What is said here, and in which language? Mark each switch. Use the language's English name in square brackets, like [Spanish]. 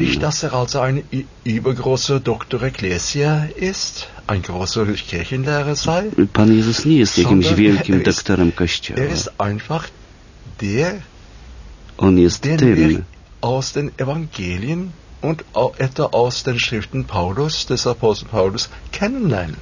[German] Nicht, dass also ein übergroßer Doktor Ecclesia ist, ein großer Kirchenlehrer sei. [Polish] Pan Jezus nie jest jakimś wielkim doktorem Kościoła. [German] Er ist einfach der, [Polish] on jest [German] den [Polish] tym, [German] aus den Evangelien und etwa aus den Schriften Paulus, des Apostel Paulus, kennenlernen.